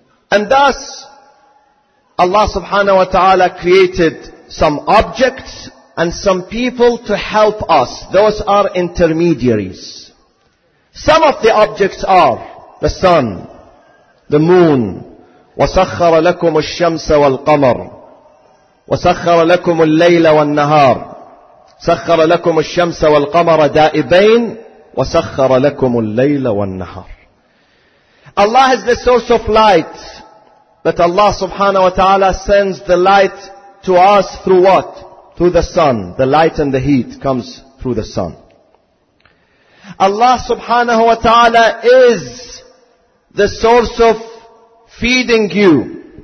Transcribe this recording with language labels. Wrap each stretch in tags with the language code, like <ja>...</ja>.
<en>And thus, Allah subhanahu wa ta'ala created some objects and some people to help us. Those are intermediaries. Some of the objects are the sun, the moon,</en> <ar>وَسَخَّرَ لَكُمُ الشَّمْسَ وَالْقَمَرُ وسخر لكم الليل والنهار، سخر لكم الشمس والقمر دائبين، وسخر لكم الليل والنهار.</ar> <en>Allah is the source of light, but Allah subhanahu wa ta'ala sends the light to us through what? Through the sun. The light and the heat comes through the sun. Allah subhanahu wa ta'ala is the source of feeding you.</en>